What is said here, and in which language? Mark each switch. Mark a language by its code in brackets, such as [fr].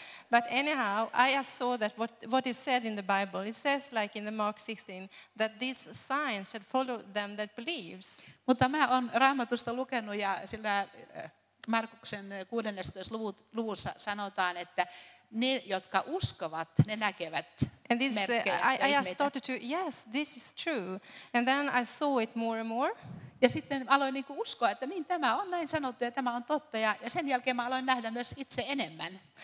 [en] But anyhow, I just saw that what is said in the Bible, it says like in the Mark 16, that these signs should follow them that believes. [fi] Mutta mä oon Raamatusta lukenut ja sillä Markuksen 16. luvussa sanotaan, että ne, jotka uskovat, ne näkevät merkkejä. [en] I just started to, yes, this is true. And then I saw it more and more. [fi] Ja sitten aloin niin kuin uskoa, että niin tämä on näin sanottu ja tämä on totta. Ja sen jälkeen mä aloin nähdä myös itse enemmän.